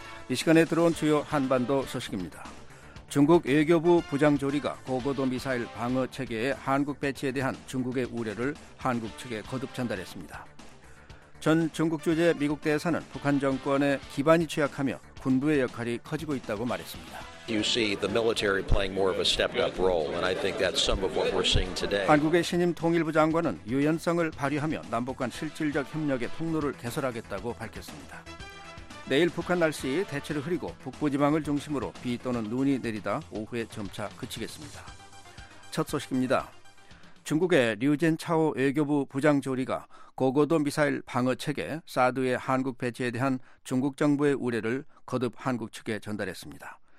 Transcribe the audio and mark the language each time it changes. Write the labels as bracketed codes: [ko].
[ko] 이 시간에 들어온 주요 한반도 소식입니다. 중국 외교부 부장조리가 고고도 미사일 방어 체계의 한국 배치에 대한 중국의 우려를 한국 측에 거듭 전달했습니다. 전 중국 주재 미국 대사는 북한 정권의 기반이 취약하며 군부의 역할이 커지고 있다고 말했습니다. [en] You see the military playing more of a stepped-up role, and I think that's some of what we're seeing today. [ko] 한국의 신임 통일부 장관은 유연성을 발휘하며 남북 간 실질적 협력의 통로를 개설하겠다고 밝혔습니다. 내일 북한 날씨 대체로 흐리고 북부 지방을 중심으로 비 또는 눈이 내리다 오후에 점차 그치겠습니다. 첫 소식입니다. 중국의 류젠 차오 외교부 부장조리가 고고도 미사일 방어 체계 사드의 한국 배치에 대한 중국 정부의 우려를 거듭 한국 측에 전달했습니다.